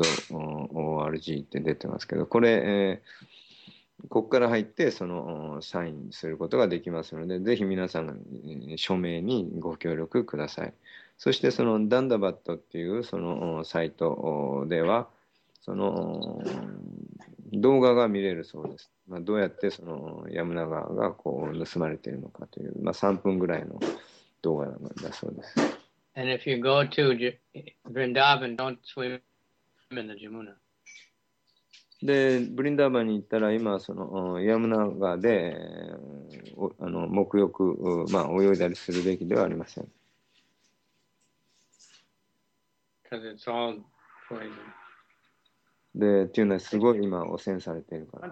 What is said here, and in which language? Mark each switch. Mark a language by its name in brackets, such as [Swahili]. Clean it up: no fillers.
[Japanese] yamuna.org って出てますけど、これ、ここから入ってそのサインすることができますので、ぜひ皆さん、署名にご協力ください。そしてそのダンダバットっていうそのサイトでは、その動画が見れるそうです。まあ、どうやってそのヤムナ川がこう盗まれているのかという、まあ、3分ぐらいの動画だそうです。 [English] And if you go to Vrindavan, don't swim in the Jamuna. [Japanese] で、ブリンダーバンに行ったら、今、その、ヤムナ川で、あの、沐浴、まあ、泳いだりするべきではありません。 [English] Because it's all poison. [Japanese] で、っていうのは、すごい今、汚染されているから。アン